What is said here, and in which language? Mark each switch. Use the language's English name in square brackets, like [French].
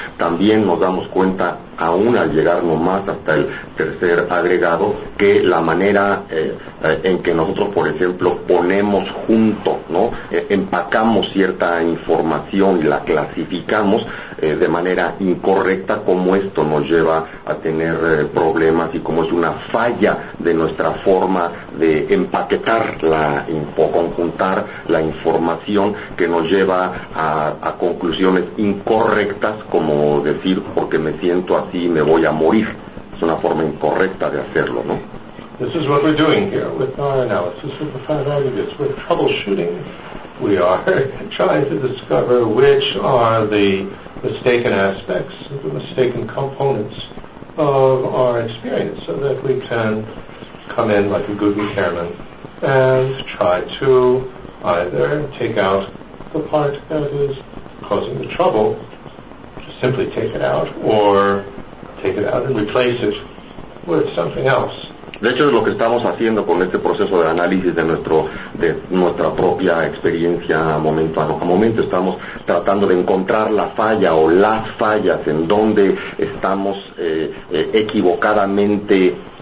[Spanish] También nos damos cuenta, aún al llegar nomás hasta el tercer agregado, que la manera en que nosotros, por ejemplo, ponemos junto, ¿no?, empacamos cierta información y la clasificamos de manera incorrecta, como esto nos lleva a tener problemas, y como es una falla de nuestra forma de empaquetar o conjuntar la información, que nos lleva a conclusiones incorrectas, como decir, porque me siento así me voy a morir. Es una forma incorrecta de hacerlo, ¿no? [English] This is what we're doing here with our analysis of the five aggregates. We're troubleshooting. We are trying to discover which are the mistaken aspects, the mistaken components of our experience, so that we can come in like a good repairman and try to either take out the part that is causing the trouble, simply take it out, or take it out and replace it with something else. [Spanish] De hecho, es lo que estamos haciendo con este proceso de análisis de nuestra propia experiencia momento a momento. Estamos tratando de encontrar la falla o las fallas en donde estamos equivocadamente